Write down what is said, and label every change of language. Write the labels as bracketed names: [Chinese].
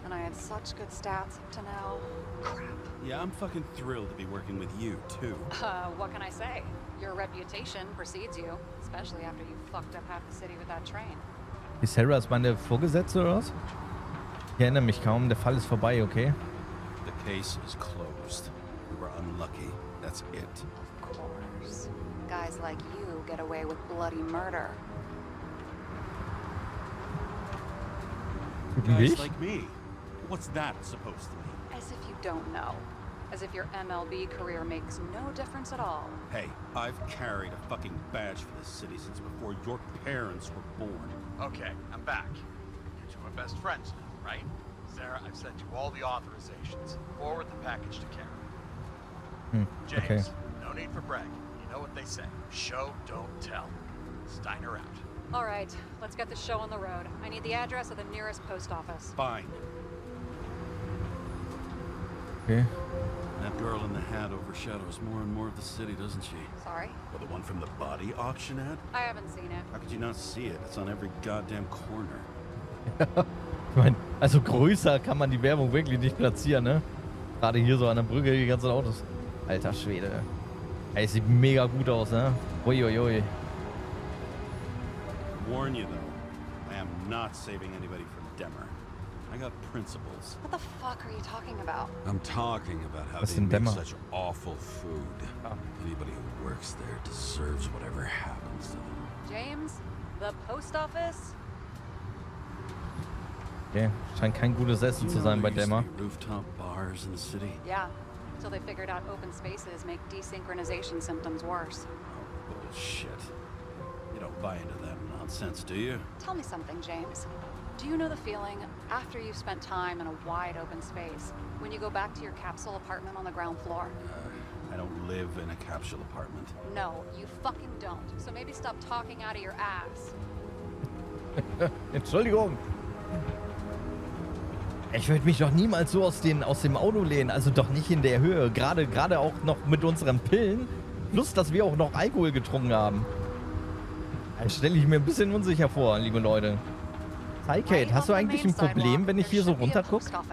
[English] And I had such good stats up to now. Crap. Yeah, I'm fucking thrilled to be working with you, too. What can I say? Your reputation precedes you, especially after you fucked up half the city with that train. [German] Ist Sarah als meine Vorgesetzte oder was? Ich erinnere mich kaum, der Fall ist vorbei, okay? [English] The case is closed. We were unlucky. That's it. Of course. Guys like you get away with bloody murder. Guys like me. What's that supposed to mean? As if you don't know. As if your MLB career makes no difference at all. Hey, I've carried a fucking badge for this city since before your parents were born. Okay, I'm back. You two are best friends now, right? Sarah, I've sent you all the authorizations. Forward the package to Karen. James, okay. No need for brag. You know what they say. Show, don't tell. Steiner out. All right, let's get the show on the road. I need the address of the nearest post office. Fine. Okay. That girl in the hat overshadows more and more of the city, doesn't she? Sorry? Well, the one from the body auction ad? I haven't seen it. How could you not see it? It's on every goddamn corner. [German] Ich meine, also größer kann man die Werbung wirklich nicht platzieren, ne? Gerade hier so an der Brücke, die ganzen Autos. Alter Schwede. Ey, sieht mega gut aus, ne? Uiuiui. [English] Warn you though, I am not saving anybody from Demmer. I got principles. What the fuck are you talking about? I'm talking about how they make such awful food. Oh. Anybody who works there deserves whatever happens to them. James, the post office? [German] Okay, scheint kein gutes Essen zu sein bei Demmer. [English] Rooftop bars in the city? Yeah, until they figured out open spaces make desynchronization symptoms worse. Oh, bullshit. You don't buy into that nonsense, do you? Tell me something, James. Do you know the feeling after you've spent time in a wide open space when you go back to your capsule apartment on the ground floor? I don't live in a capsule apartment. No, you fucking don't. So maybe stop talking out of your ass. [German] Entschuldigung. Ich würde mich doch niemals so aus dem Auto lehnen, also doch nicht in der Höhe. Gerade auch noch mit unseren Pillen. plus, dass wir auch noch Alkohol getrunken haben. Dann stelle ich mir ein bisschen unsicher vor, liebe Leute. Hi Kate, hast du eigentlich ein Problem, wenn ich hier so runtergucke?